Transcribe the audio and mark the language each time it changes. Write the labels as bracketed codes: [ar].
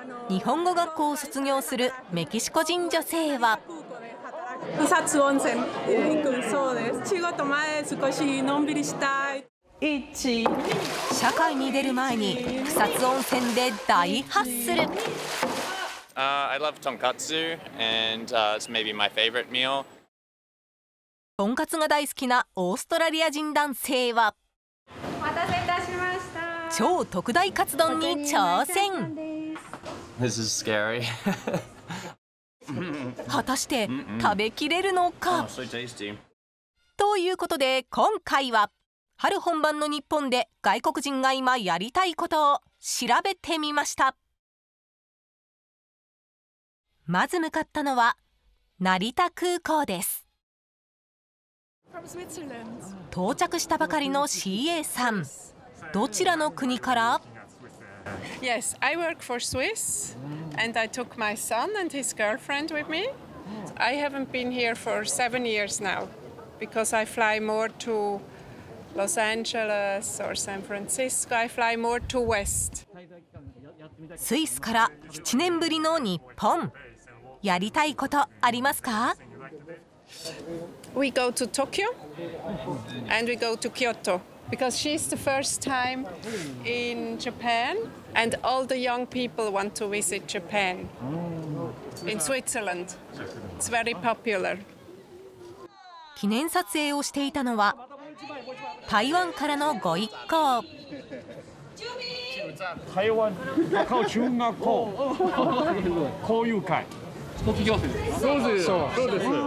[ja] 日本語学校を卒業するメキシコ人女性は、草津温泉行く。そうです。仕事前少しのんびりしたい。社会に出る前に草津温泉で大ハッスル。 [en] I love tonkatsu and it's maybe my favorite meal. [ja] とんかつが大好きなオーストラリア人男性は、お待たせいたしました、超特大カツ丼に挑戦。 [en] This is scary. [ja] 果たして食べきれるのか。 [en] Oh, so tasty. [ja] ということで、今回は春本番の日本で外国人が今やりたいことを調べてみました。まず向かったのは成田空港です。到着したばかりの CA さん、どちらの国から？ [en] Yes, I work for Swiss and I took my son and his girlfriend with me. I haven't been here for 7 years now because I fly more to Los Angeles or San Francisco. I fly more to West. [ja] スイスから7年ぶりの日本。やりたいことありますか？ [en] We go to Tokyo and we go to Kyoto. Because she's the first time in Japan and all the young people want to visit Japan. In Switzerland. It's very popular. [ja] 記念撮影をしていたのは台湾からのご一行。台湾高中学校交友会。卒業生。そうです。